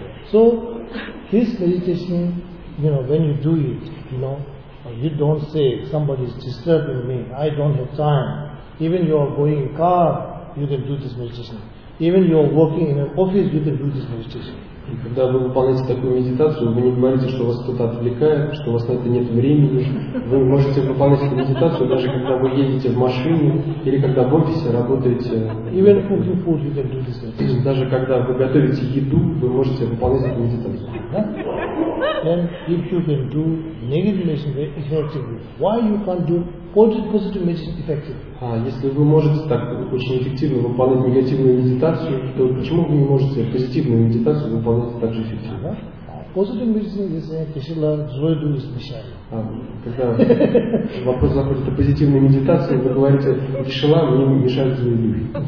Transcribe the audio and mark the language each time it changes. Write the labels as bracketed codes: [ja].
[en] So this meditation, you know, when you do it, you know, you don't say somebody is disturbing me, I don't have time. Even you are going in a car, you can do this meditation. Even you are working in an office, you can do this meditation. [ru] И когда вы выполняете такую медитацию, вы не говорите, что вас кто-то отвлекает, что у вас на это нет времени. Вы можете выполнять эту медитацию, даже когда вы едете в машине или когда в офисе работаете. [en] Even cooking food, you can do this meditation. [ru] Даже когда вы готовите еду, вы можете выполнять эту медитацию. [en] And if you can do negative meditation effectively, why you can't do positive meditation effectively? [ru] А если вы можете так очень эффективно выполнять негативную медитацию, то почему вы не можете позитивную медитацию выполнять так же эффективно? [en] Positive meditation is a Кришна Джойду из Мишари. [ru] Когда вопрос заходит о позитивной медитации, вы говорите, Кришна мне не мешает злые люди.